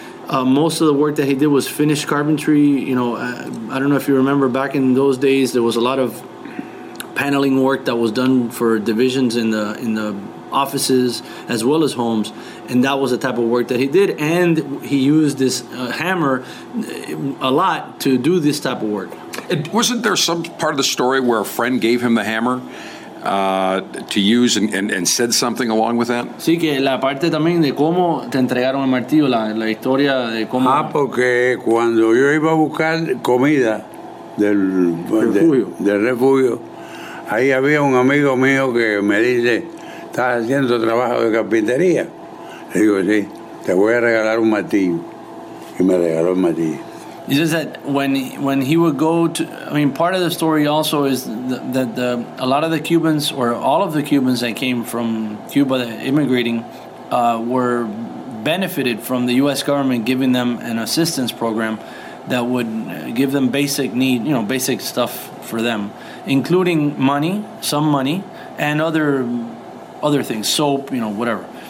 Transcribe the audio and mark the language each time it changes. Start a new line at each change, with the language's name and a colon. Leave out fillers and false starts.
English: Most of the work that he did was finished carpentry. You know, I don't know if you remember back in those days, there was a lot of paneling work that was done for divisions in the offices as well as homes. And that was the type of work that he did. And he used this hammer a lot to do this type of work. Wasn't there some part of the story where a friend gave him the hammer to use and said something along with that?
Spanish: Sí, que la parte también de cómo te entregaron el martillo, la historia de cómo... Ah, porque cuando yo iba a buscar comida del refugio, ahí había un amigo mío que me dice, ¿estás haciendo trabajo de carpintería? Le digo, sí, te voy a regalar un martillo. Y me regaló el martillo.
English: He says that when he would go to, I mean, part of the story also is that the a lot of the Cubans, or all of the Cubans that came from Cuba immigrating, were benefited from the U.S. government giving them an assistance program that would give them basic need, you know, basic stuff for them, including money, some money, and other things, soap, you know, whatever.